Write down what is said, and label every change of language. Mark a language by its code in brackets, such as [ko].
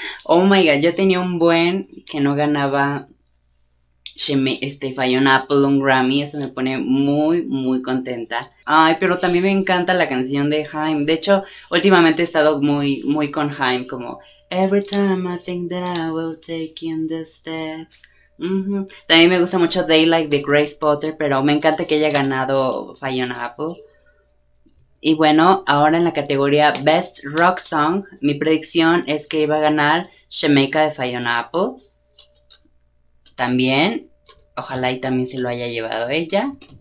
[en] Oh my God, [es] yo tenía un buen que no ganaba Fiona Apple un Grammy. Eso me pone muy, muy contenta. Ay, pero también me encanta la canción de Haim. De hecho, últimamente he estado muy, muy con Haim. [en] Como, every time I think that I will take in the steps. [es] También me gusta mucho Daylight de Grace Potter, pero me encanta que haya ganado Fiona Apple. Y bueno, ahora en la categoría Best Rock Song, mi predicción es que iba a ganar Shemeika de Fiona Apple. También, ojalá y también se lo haya llevado ella.